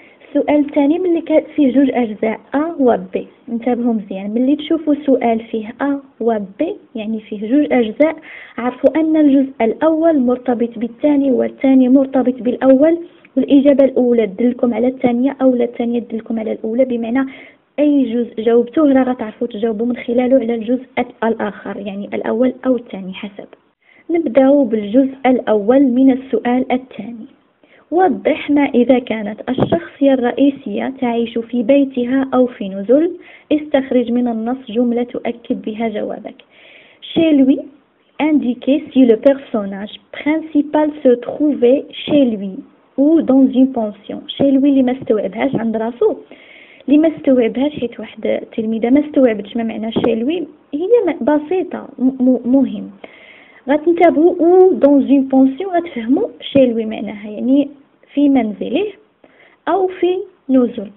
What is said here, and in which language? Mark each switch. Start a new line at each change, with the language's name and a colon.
Arabic: السؤال الثاني ملي كان فيه جوج اجزاء ا و ب، انتبهوا مزيان، ملي تشوفوا سؤال فيه ا و ب يعني فيه جوج اجزاء، عرفوا ان الجزء الاول مرتبط بالثاني والثاني مرتبط بالاول، والاجابه الاولى تدلكم على الثانيه او الثانيه تدلكم على الاولى، بمعنى اي جزء جاوبتوه راه غتعرفوا تجاوبوا من خلاله على الجزء الاخر، يعني الاول او الثاني حسب. نبداو بالجزء الاول من السؤال الثاني. وضح ما إذا كانت الشخصية الرئيسية تعيش في بيتها أو في نزل. استخرج من النص جملة تؤكد بها جوابك.
French: Chez lui, indiquez si le personnage principal se trouvait chez lui ou dans une pension.
Arabic: Chez lui اللي ما استوعبهاش عند راسو، اللي ما استوعبهاش حيت واحد التلميذة ما استوعبتش ما معنى chez lui، هي بسيطة مهم. غتنتبهوا
French: او دون اون بونسيون
Arabic: غتفهموا شي لوي معناها يعني في منزله او في نزول.